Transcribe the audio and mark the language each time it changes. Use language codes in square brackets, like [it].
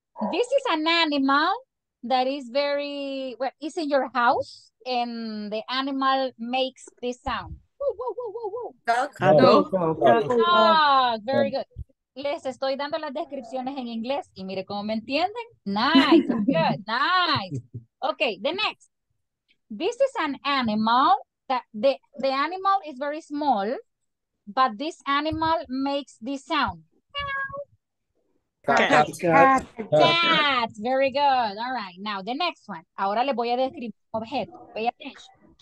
[en] This is an animal that is very, well, it's in your house, and the animal makes this sound. Dog. Very good. [es] Les estoy dando las descripciones en inglés, y mire cómo me entienden. [en] Nice, good, nice. Okay, the next. This is an animal that, the animal is very small, but this animal makes this sound. Cat. Very good. All right. Now, the next one. [es] Ahora le voy a describir un objeto. [en] Pay attention.